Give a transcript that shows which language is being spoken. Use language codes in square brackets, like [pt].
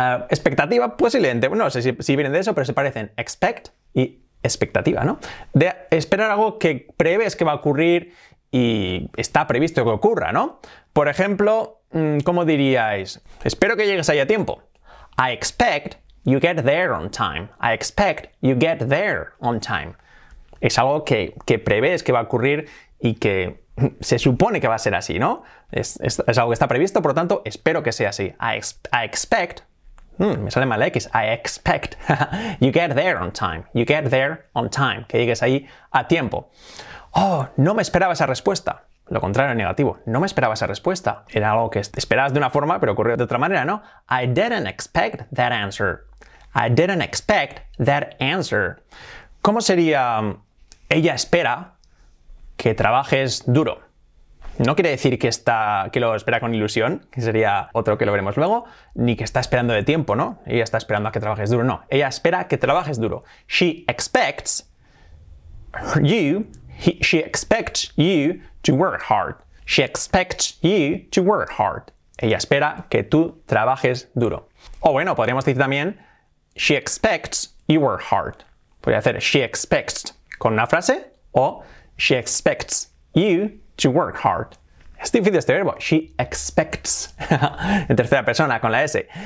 [es] Expectativa, posiblemente. No sé si vienen de eso, pero se parecen expect y expectativa, ¿no? De esperar algo que prevés que va a ocurrir y está previsto que ocurra, ¿no? Por ejemplo, ¿cómo diríais? Espero que llegues ahí a tiempo. [en] I expect you get there on time. I expect you get there on time. [es] Es algo que prevés que va a ocurrir y que se supone que va a ser así, ¿no? Es algo que está previsto, por lo tanto, espero que sea así. [en] I expect... [es] me sale mal la X. [en] I expect you get there on time. You get there on time. [es] Que llegues ahí a tiempo. No me esperaba esa respuesta. Lo contrario, negativo. No me esperaba esa respuesta. Era algo que esperabas de una forma, pero ocurrió de otra manera, ¿no? [en] I didn't expect that answer. I didn't expect that answer. [es] ¿Cómo sería ella espera que trabajes duro? No quiere decir que lo espera con ilusión, que sería otro que lo veremos luego, ni que está esperando de tiempo, ¿no? Ella está esperando a que trabajes duro, no. Ella espera que trabajes duro. [en] She expects you, she expects you to work hard. She expects you to work hard. [es] Ella espera que tú trabajes duro. O bueno, podríamos decir también, [en] she expects you work hard. [es] Podría hacer she expects con una frase o [en] she expects you to work hard. [es] Es difícil este verbo. [en] She expects. [es] En tercera persona, con la S.